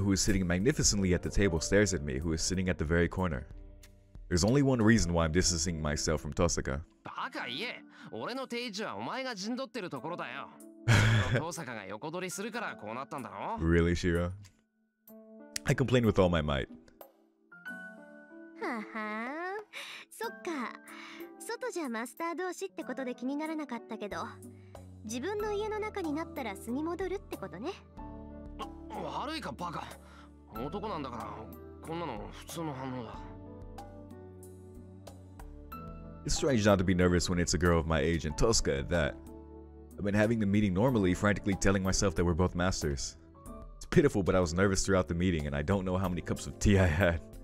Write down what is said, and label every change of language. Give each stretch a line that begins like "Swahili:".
English: who is sitting magnificently at the table, stares at me, who is sitting at the very corner. There's only one reason why I'm distancing myself from Tosca.
Japanese: バカ言え、俺の定位置はお前が陣取ってるところだよ。トーサカが横取りするからこうなったんだろ?
English: Really, Shirou? I complain with all my might.
Japanese: はは、そっか。外じゃマスター同士ってことで気にならなかったけど、自分の家の中になったら素に戻るってことね。悪いかバカ。男なんだからこんなの普通の反応だ。
English: It's strange not to be nervous when it's a girl of my age and Tosca at that. I've been having the meeting normally, frantically telling myself that we're both masters. It's pitiful, but I was nervous throughout the meeting and I don't know how many cups of tea I had.